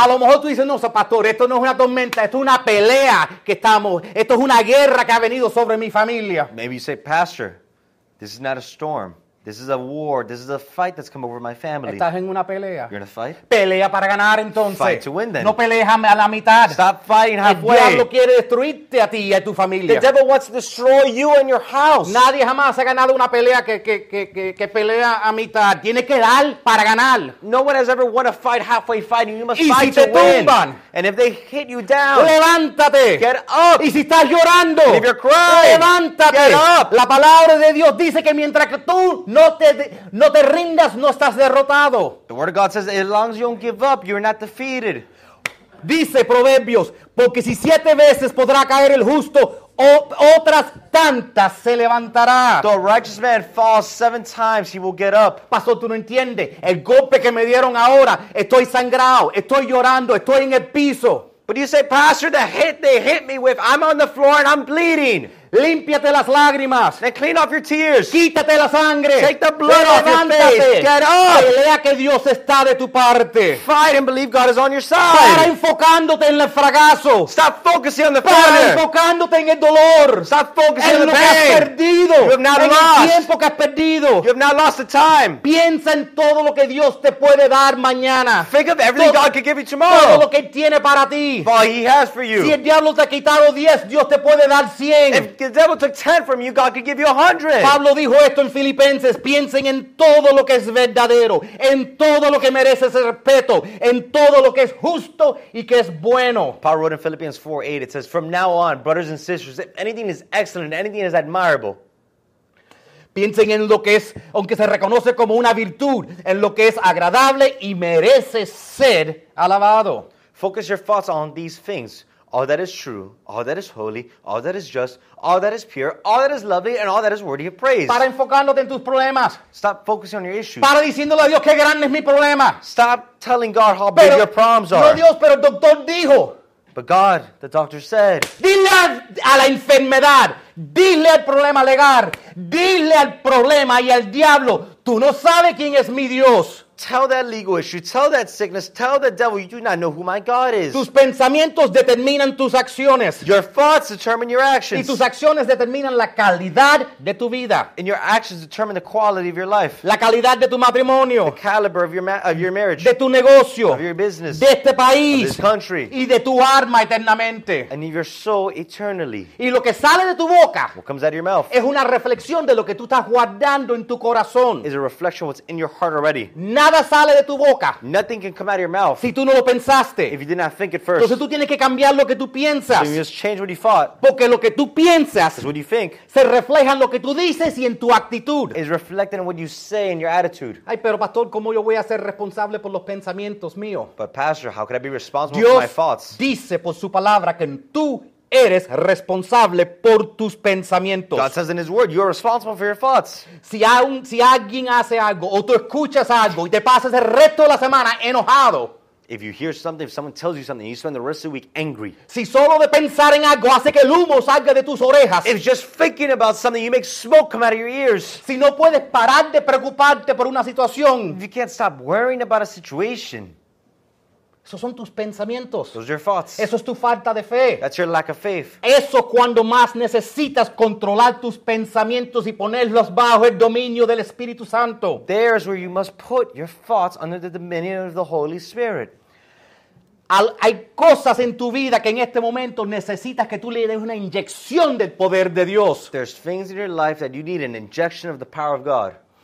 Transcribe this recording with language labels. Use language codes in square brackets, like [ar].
[es] A lo mejor tú dices, no, pastor, esto no es una tormenta, esto es una pelea que estamos, esto es una guerra. Que ha venido sobre mi familia. [en] Maybe you say, Pastor, this is not a storm. This is a war. This is a fight that's come over my family. [es] Estás en una pelea. [en] You're in a fight? [es] Pelea para ganar, entonces. [en] Fight to win, then. [es] No pelees a la mitad. [en] Stop fighting halfway. [es] El diablo quiere destruirte a ti y a tu familia. [en] The devil wants to destroy you and your house. [es] Nadie jamás ha ganado una pelea que pelea a mitad. Tiene que dar para ganar. [en] No one has ever won a fight halfway fighting. You must fight [es] si [en] to win. [es] Tumban. [en] And if they hit you down, [es] levántate. [en] Get up. [es] Y si estás llorando, [en] and if you're crying, [es] levántate. [en] Get up. [es] La palabra de Dios dice que mientras que tú No te rindas, no estás derrotado. [en] The word of God says, as long as you don't give up, you're not defeated. [es] Dice Proverbios, porque si siete veces podrá caer el justo, otras tantas se levantará. [en] The righteous man falls seven times, he will get up. [es] Pastor, tú no entiendes. El golpe que me dieron ahora, estoy sangrado, estoy llorando, estoy en el piso. [en] But you say, Pastor, the hit they hit me with, I'm on the floor and I'm bleeding. [es] Límpiate las lágrimas. [en] And clean off your tears. [es] Quítate la sangre. [en] Take the blood off your face. Get up. [es] Pelea que Dios está de tu parte. [en] Fight and believe God is on your side. [es] Para enfocándote en el fracaso. [en] Stop focusing on the [es] Para [en] failure. [es] Enfocándote en el dolor. [en] Stop focusing [es] en [en] on the pain. [es] En lo que has perdido. [en] You have not [es] en [en] lost. [es] El tiempo que has perdido. [en] You have not lost the time. [es] Piensa en todo lo que Dios te puede dar mañana. [en] Think of everything God could give you tomorrow. [es] Todo lo que tiene para ti. [en] All he has for you. [es] Si el diablo te ha quitado 10, Dios te puede dar 100. [en] If the devil took 10 from you, God could give you 100. [es] Pablo dijo esto en Filipenses, piensen en todo lo que es verdadero, en todo lo que merece ese respeto, en todo lo que es justo y que es bueno. [en] Paul wrote in Philippians 4:8, it says, from now on, brothers and sisters, if anything is excellent, anything is admirable. [es] Piensen en lo que es, aunque se reconoce como una virtud, en lo que es agradable y merece ser alabado. [en] Focus your thoughts on these things. All that is true, all that is holy, all that is just, all that is pure, all that is lovely, and all that is worthy of praise. [es] Para enfocándote en tus problemas. [en] Stop focusing on your issues. [es] Para diciéndole a Dios qué grande es mi problema. [en] Stop telling God how big your problems are. [es] No Dios, pero el doctor dijo. [en] But God, the doctor said. [es] Dile a la enfermedad. Dile al problema legal. Dile al problema y al diablo. Tú no sabes quién es mi Dios. [en] Tell that legal issue, tell that sickness, tell the devil, you do not know who my God is. [es] Tus pensamientos determinan tus acciones. [en] Your thoughts determine your actions. [es] Y tus acciones determinan la calidad de tu vida. [en] And your actions determine the quality of your life. [es] La calidad de tu matrimonio. [en] The caliber of your marriage. [es] De tu negocio. [en] Of your business. [es] De este país. [en] Of this country. [es] Y de tu alma eternamente. [en] And of your soul eternally. [es] Y lo que sale de tu boca. [en] What comes out of your mouth. [es] Es una reflexión de lo que tú estás guardando en tu corazón. [en] Is a reflection of what's in your heart already. [es] Nada sale de tu boca. [en] Nothing can come out of your mouth. [es] Si tú no lo pensaste. [en] If you did not think it first. [es] Entonces tú tienes que cambiar lo que tú piensas. [en] So you just change what you thought. [es] Porque lo que tú piensas. [en] Is what you think. [es] Se refleja en lo que tú dices y en tu actitud. [en] Is reflecting what you say and your attitude. [es] Ay, pero pastor, ¿cómo yo voy a ser responsable por los pensamientos míos? [en] But pastor, how could I be responsible [es] Dios [en] for my thoughts? [es] Dios dice por su palabra que tú eres responsable por tus pensamientos. [en] God says in his word, you are responsible for your thoughts. [es] Si alguien hace algo, o tú escuchas algo, y te pasas el resto de la semana enojado. [en] If you hear something, if someone tells you something, you spend the rest of the week angry. [es] Si solo de pensar en algo hace que el humo salga de tus orejas. [en] If just thinking about something, you make smoke come out of your ears. [es] Si no puedes parar de preocuparte por una situación. [en] If you can't stop worrying about a situation. [es] Esos son tus pensamientos. [en] Those are your thoughts. [es] Eso es tu falta de fe. [en] That's your lack of faith. [es] Eso cuando más necesitas controlar tus pensamientos y ponerlos bajo el dominio del Espíritu Santo. [en] There is where you must put your thoughts under the dominion of the Holy Spirit. [es] Hay cosas en tu vida que en este momento necesitas que tú le des una inyección del poder de Dios. [en] There's things in your life that you need an injection of the power of God.